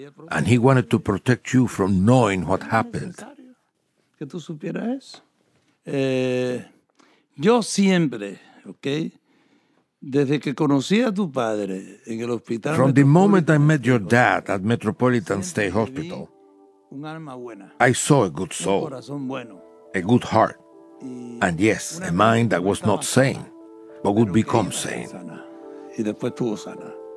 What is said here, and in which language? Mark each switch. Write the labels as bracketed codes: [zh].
[en] And he wanted to protect you from knowing what happened. [es] Que tú supieras eso. Yo siempre, okay, desde que conocí a tu padre en el hospital. [en] From the moment I met your dad at Metropolitan State Hospital, I saw a good soul, a good heart, and yes, a mind that was not sane, but would become sane. [es] Y después tuvo sana.